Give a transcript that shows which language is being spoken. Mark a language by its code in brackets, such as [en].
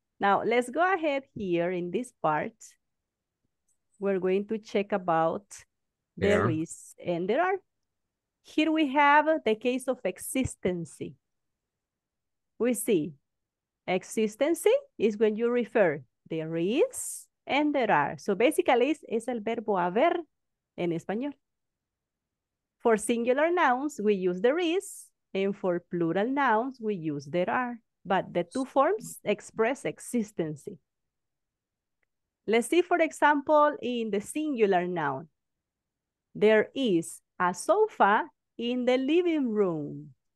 [en] Now, let's go ahead here in this part. We're going to check about there is and there are. Here we have the case of existency. We see existency is when you refer there is and there are. So basically, [es] es el verbo haber en español. [en] For singular nouns, we use there is. And for plural nouns, we use there are. But the two forms express existency. Let's see, for example, in the singular noun. There is a sofa in the living room.